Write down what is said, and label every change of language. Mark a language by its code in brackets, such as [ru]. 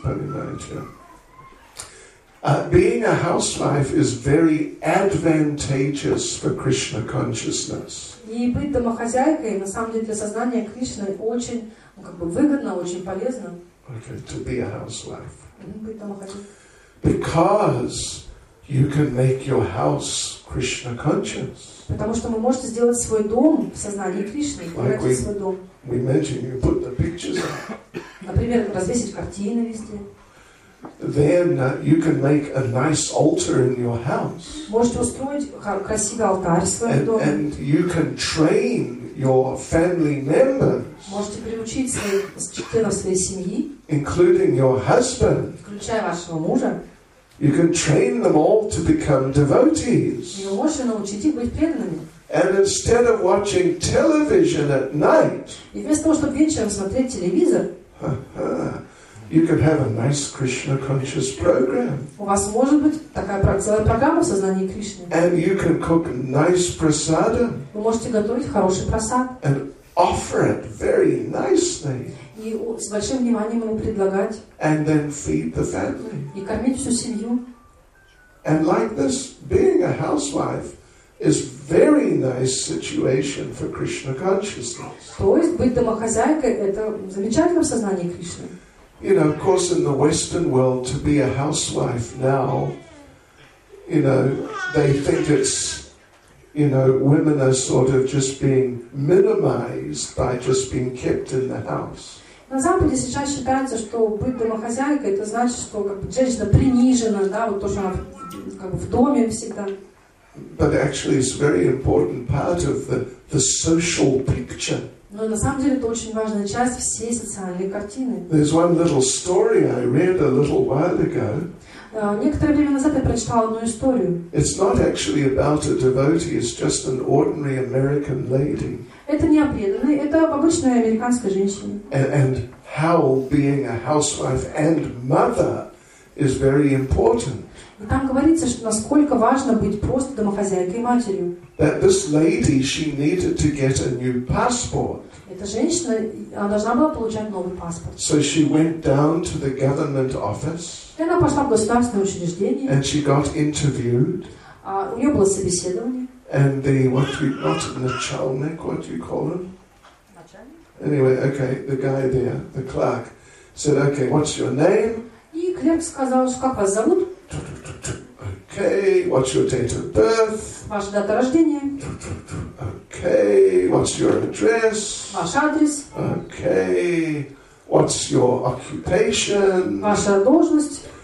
[ru] Понимаете. [en] Being a housewife is very advantageous for Krishna consciousness. [ru] И быть домохозяйкой, на самом деле, для сознания Кришны очень выгодно, очень полезно. [en] Okay, to be a housewife. Because you can make your house Krishna conscious. [ru] Потому что вы можете сделать свой дом в сознании Кришны, превратить свой дом. [en] We mentioned you put the pictures up. [ru] Например, развесить картины везде. [en] Then you can make a nice altar in your house. [ru] Можете устроить красивый алтарь в своем доме. [en] And you can train your family members. [ru] Можете приучить своих членов своей семьи, [en] including your husband. [ru] Включая вашего мужа. [en] You can train them all to become devotees. [ru] И вы можете научить их быть преданными. [en] And instead of watching television at night. [ru] И вместо того, чтобы вечером смотреть телевизор. [en] You could have a nice Krishna conscious program. [ru] У вас может быть такая целая программа в сознании Кришны. [en] And you can cook nice prasada. [ru] Вы можете готовить хороший прасад. [en] And offer it very nicely. [ru] И с большим вниманием ему предлагать. [en] And then feed the family. [ru] И кормить всю семью. [en] And like this, being a housewife is very nice situation for Krishna consciousness. [ru] То есть быть домохозяйкой это замечательно в сознании Кришны. [en] You know, of course, in the Western world, to be a housewife now, you know, they think it's, you know, women are sort of just being minimized by just being kept in the house. [ru] На Западе сейчас считается, что быть домохозяйкой это значит, что как бы женщина принижена, да, вот тоже она как бы в доме всегда. [en] But actually, it's a very important part of the social picture. [ru] Но на самом деле это очень важная часть всей социальной картины. [en] There's one little story I read a little while ago. [ru] Некоторое время назад я прочитала одну историю. [en] It's not actually about a devotee, it's just an ordinary American lady. [ru] Это не о преданной, это об обычной американской женщине. [en] And how being a housewife and mother is very important. [ru] И там говорится, что насколько важно быть просто домохозяйкой и матерью. [en] That this lady, she needed to get a new passport. [ru] Эта женщина, она должна была получать новый паспорт. [en] So she went down to the government office. [ru] И она пошла в государственное учреждение. [en] And she got interviewed. [ru] У нее было собеседование. [en] And the начальник, what do you call him? [ru] Начальник. [en] Anyway, okay, the guy there, the clerk, said, okay, what's your name? [ru] И клерк сказал, как вас зовут? [en] Okay, what's your date of birth? [ru] Ваша дата рождения. [en] Okay, what's your address? [ru] Ваш адрес. [en] Okay, what's your occupation? [ru] Ваша должность.